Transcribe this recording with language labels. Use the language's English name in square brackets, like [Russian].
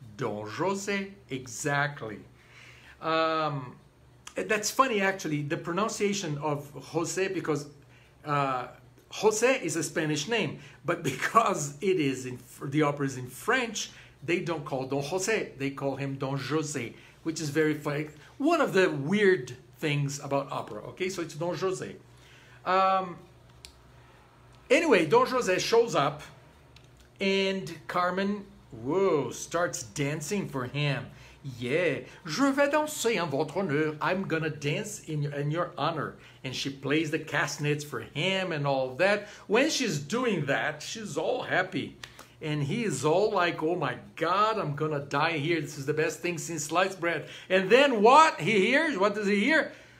[English] Don José, exactly. That's funny, actually, the pronunciation of José, because José is a Spanish name, but because it is the opera is in French, they don't call Don José, they call him Don José, which is very funny. One of the weird things about opera, okay? So it's Don José. Anyway, Don José shows up, and Carmen, starts dancing for him. [French] Yeah, je vais danser en votre honneur. [English] I'm gonna dance in your honor. And she plays the castanets for him and all that. When she's doing that, she's all happy. And he is all like, oh my God, I'm gonna die here. This is the best thing since sliced bread. And then what he hears, what does he hear?